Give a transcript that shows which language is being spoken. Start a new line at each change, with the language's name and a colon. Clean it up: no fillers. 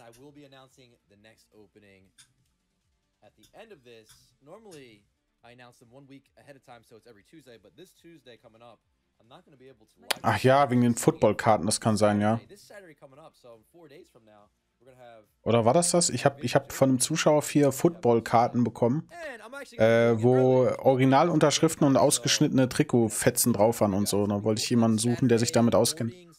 English: I will be announcing the next opening at the end of this. Normally, I announce them 1 week ahead of time, so it's every Tuesday. But this Tuesday coming up, I'm not going to be able to.
German: Ach ja, wegen den Football-Karten, das kann sein, ja.
English: This Saturday coming up, so 4 days from now, we're gonna have.
German: Oder war das das? Ich hab von einem Zuschauer 4 Football-Karten bekommen, wo Originalunterschriften und ausgeschnittene Trikotfetzen drauf waren und so. Da wollte ich jemanden suchen, der sich damit auskennt.